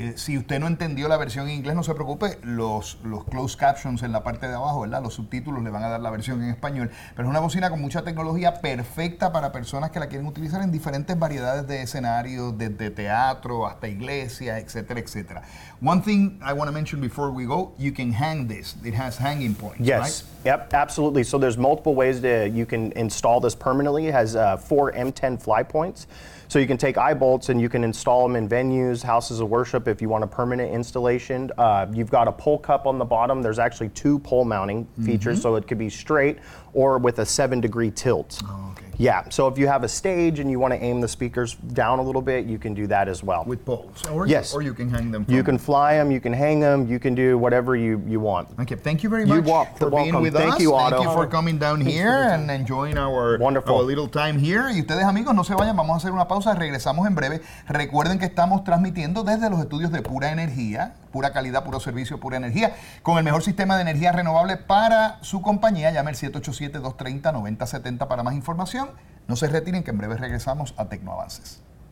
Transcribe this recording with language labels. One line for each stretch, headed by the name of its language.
Spanish: Si usted no entendió la versión en inglés, no se preocupe. Los closed captions en la parte de abajo, ¿verdad? Los subtítulos le van a dar la versión en español. Pero es una bocina con mucha tecnología perfecta para personas que la quieren utilizar en diferentes variedades de escenarios, desde teatro hasta iglesia, etcétera, etcétera.
English: One thing thing I want to mention before we go, you can hang this. It has hanging points, yes. Right? Yep, absolutely. So there's multiple ways to you can install this permanently. It has four M10 fly points. So you can take eye bolts and you can install them in venues, houses of worship, if you want a permanent installation. You've got a pole cup on the bottom. There's actually two pole mounting features, mm-hmm. so it could be straight or with a 7-degree tilt. Oh, okay. Yeah, so if you have a stage and you want to aim the speakers down a little bit, you can do that as well. With poles? Yes. Or you can hang them. You can fly them, you can hang them, you can do whatever you want. Okay, thank you very much for being with us. Thank you, Otto. Thank you for coming down here and enjoying our little time here.
Spanish: Y ustedes, amigos, no se vayan, vamos a hacer una pausa, regresamos en breve. Recuerden que estamos transmitiendo desde los estudios de Pura Energía, pura calidad, puro servicio, pura energía, con el mejor sistema de energía renovable para su compañía. Llame al 787-230-9070 para más información. No se retiren, que en breve regresamos a Tecnoavances.